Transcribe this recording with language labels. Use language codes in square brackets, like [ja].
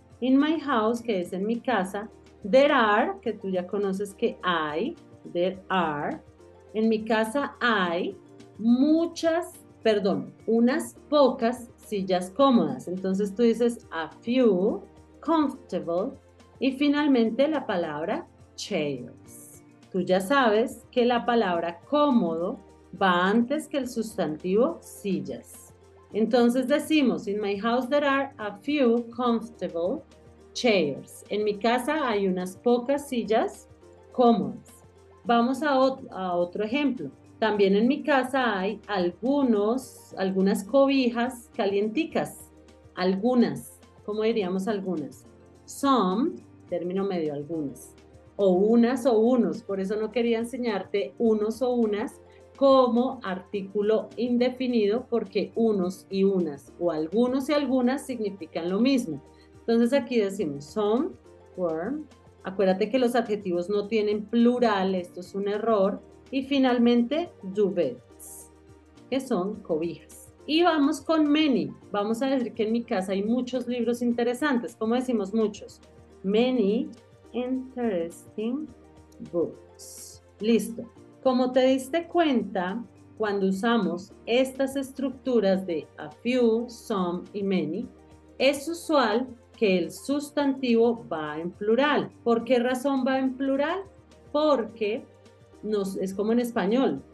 [en] In my house, [es] que es en mi casa, [en] there are, [es] que tú ya conoces que hay, there are, en mi casa hay muchas, perdón, unas pocas sillas cómodas. Entonces tú dices, [en] a few, comfortable. [es] Y finalmente la palabra chairs. Tú ya sabes que la palabra cómodo va antes que el sustantivo sillas. Entonces decimos, [en] in my house there are a few comfortable chairs. [es] En mi casa hay unas pocas sillas cómodas. Vamos a otro ejemplo. También en mi casa hay algunas cobijas calienticas. Algunas. ¿Cómo diríamos algunas? Some. Término medio, algunas, o unas o unos, por eso no quería enseñarte unos o unas como artículo indefinido, porque unos y unas, o algunos y algunas significan lo mismo. Entonces aquí decimos some, were, acuérdate que los adjetivos no tienen plural, esto es un error, y finalmente duvets, que son cobijas. Y vamos con many, vamos a decir que en mi casa hay muchos libros interesantes. ¿Cómo decimos muchos? [en] Many interesting books. [es] Listo. Como te diste cuenta, cuando usamos estas estructuras de a few, some y many, es usual que el sustantivo va en plural. ¿Por qué razón va en plural? Porque es como en español.